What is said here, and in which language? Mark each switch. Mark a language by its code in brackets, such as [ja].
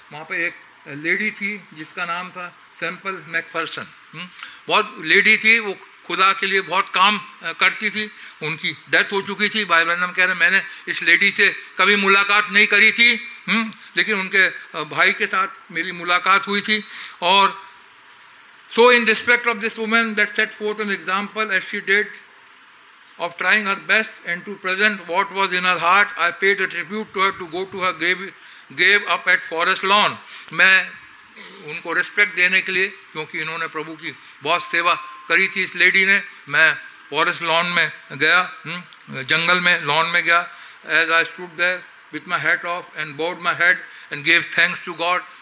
[hi] वहाँ पे एक लेडी थी जिसका नाम था सैंपल मैकफर्सन, बहुत लेडी थी वो खुदा के लिए बहुत काम करती थी, उनकी डेथ हो चुकी थी। भाई बहनम कह रहे हैं मैंने इस लेडी से कभी मुलाकात नहीं करी थी लेकिन उनके भाई के साथ मेरी मुलाकात हुई थी। [en] और so in respect of this woman that set forth an example as she did of trying her best and to present what was in her heart, I paid a tribute to her to go to her grave up at Forest Lawn। [hi] मैं उनको respect देने के लिए क्योंकि इन्होंने प्रभु की बहुत सेवा करी थी इस lady ने, मैं Forest Lawn में गया, जंगल में lawn में गया, [en] as I stood there with my hat off and bowed my head and gave thanks to God।